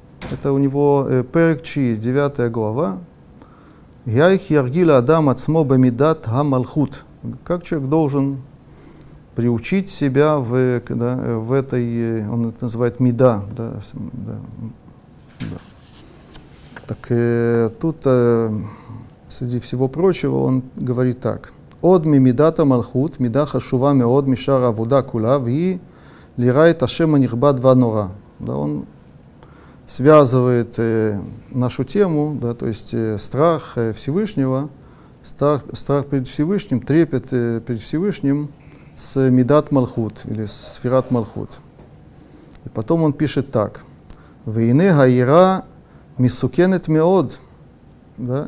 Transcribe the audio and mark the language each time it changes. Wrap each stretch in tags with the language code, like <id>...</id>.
<ru>Это у него Перек Чи, 9 глава.</ru> <he>Яйх яргила адам ацмо бамидат га Малхут.</he> <ru>Как человек должен приучить себя в, да, в этой, он это называет мида. Да, да, да. Так тут, среди всего прочего, он говорит так.</ru> <he>עוד ממידת המלכות, מידה חשובה מאוד משאר העבודה כולה, והיא לראה את השם הנכבד והנורא.</he> <ru>Да, он связывает нашу тему, да, то есть страх Всевышнего, страх перед Всевышним, трепет перед Всевышним с мидат малхут, или с сферат малхут. И потом он пишет так.</ru> <he>והנה היראה מסוכנת מאוד.</he> <ru>Да?</ru>